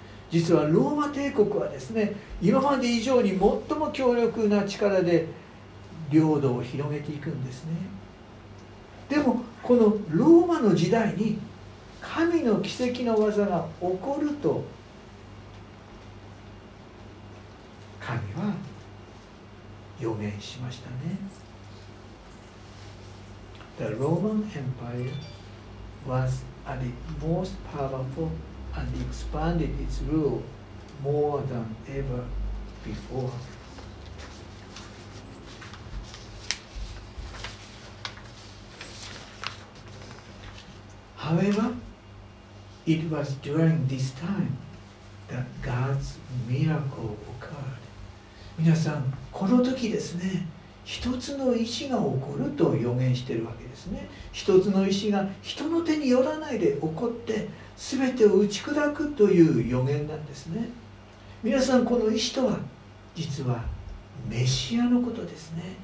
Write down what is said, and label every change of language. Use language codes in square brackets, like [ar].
[ja] 実はローマ帝国はですね、今まで以上に最も強力な力で領土を広げていくんですね。でもこのローマの時代に神の奇跡の技が起こると、神は予言しましたね。 [en] The Roman Empire was at its most powerfulAnd expanded its rule more than ever before. However, it was during this time that God's miracle occurred. [ja] 皆さん、この時ですね、一つの石が起こると予言しているわけですね。一つの石が人の手によらないで起こって全てを打ち砕くという予言なんですね。皆さん、この石とは実はメシアのことですね。